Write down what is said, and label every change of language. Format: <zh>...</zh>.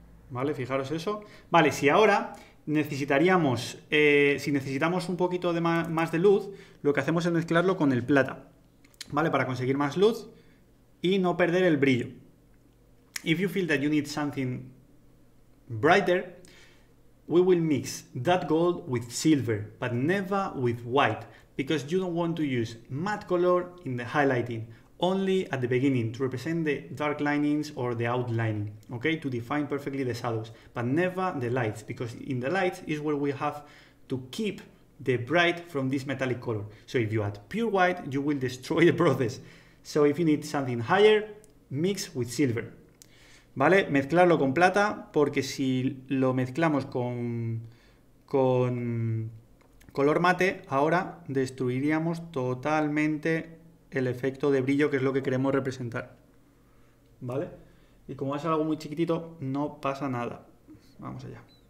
<es>¿Vale? Fijaros eso. Vale, si ahora necesitaríamos, si necesitamos un poquito de más de luz, lo que hacemos es mezclarlo con el plata, ¿vale? Para conseguir más luz y no perder el brillo.</es> <en>If you feel that you need something brighter, we will mix that gold with silver, but never with white, because you don't want to use matte color in the highlighting, only at the beginning to represent the dark linings or the outline, okay, to define perfectly the shadows, but never the lights, because in the lights is where we have to keep the bright from this metallic color. So if you add pure white, you will destroy the process. So if you need something higher, mix with silver.</en> <es>Vale, mezclarlo con plata, porque si lo mezclamos con color mate, ahora destruiríamos totalmente el efecto de brillo, que es lo que queremos representar. ¿Vale? Y como es algo muy chiquitito, no pasa nada. Vamos allá.</es>